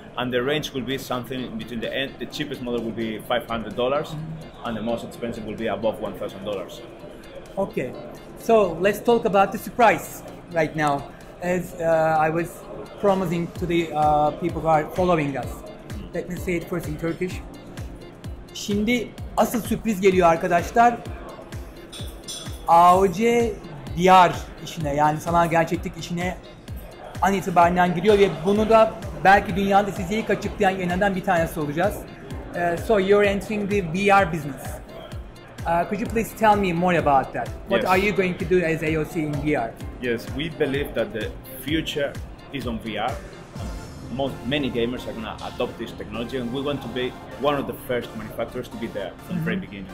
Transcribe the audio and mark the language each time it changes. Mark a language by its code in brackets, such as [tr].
[en] And the range will be something between the cheapest model will be $500 and the most expensive will be above $1,000. Okay, so let's talk about the surprise right now. As I was promising to the people who are following us, let me say it first in Turkish. [tr] Şimdi asıl sürpriz geliyor arkadaşlar. AOC VR işine, yani sanal gerçeklik işine an itibarından giriyor ve bunu da belki dünyada sizi ilk açıklayan yeniden bir tanesi olacağız. [en] So you're entering the VR business. Could you please tell me more about that? What are you going to do as AOC in VR? Yes, we believe that the future is on VR. Many gamers are going to adopt this technology and we want to be one of the first manufacturers to be there from the very beginning.